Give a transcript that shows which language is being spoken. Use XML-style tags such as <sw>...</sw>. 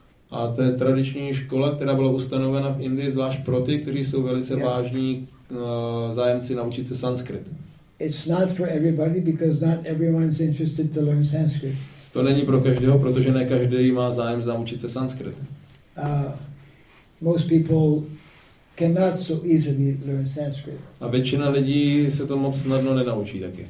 <cs>A to je tradiční škola, která byla ustanovena v Indii zvlášť pro ty, kteří jsou velice vážní zájemci naučit se Sanskrit.</cs> <en>It's not for everybody because not everyone's interested to learn Sanskrit.</en> <cs>To není pro každého, protože ne každý má zájem naučit se Sanskrit.</cs> <en>Most people cannot so easily learn Sanskrit.</en> <cs>A většina lidí se to moc snadno nenaučí taky.</cs>